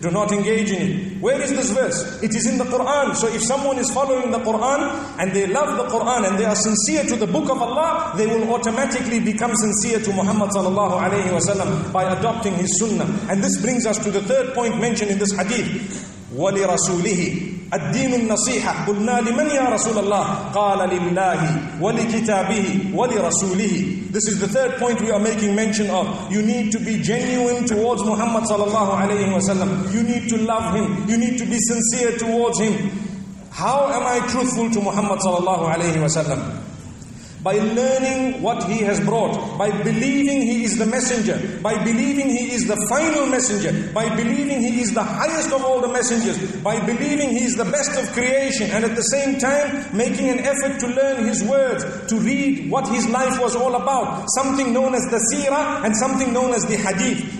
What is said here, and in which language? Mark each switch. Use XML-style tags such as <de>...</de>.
<en>Do not engage in it. Where is this verse? It is in the Quran. So if someone is following the Quran and they love the Quran and they are sincere to the book of Allah, they will automatically become sincere to Muhammad sallallahu alayhi wa sallam by adopting his sunnah. And this brings us to the third point mentioned in this hadith.</en> <ar>Wali rasulihi. الدين النصيحة قلنا لمن يا رسول الله قال لله ولكتابه ولرسوله.</ar> <en>This is the third point we are making mention of. You need to be genuine towards Muhammad sallallahu alayhi wa sallam. You need to love him. You need to be sincere towards him. How am I truthful to Muhammad sallallahu alayhi wa sallam? By learning what he has brought, by believing he is the messenger, by believing he is the final messenger, by believing he is the highest of all the messengers, by believing he is the best of creation, and at the same time making an effort to learn his words, to read what his life was all about, something known as the seerah and something known as the hadith.</en>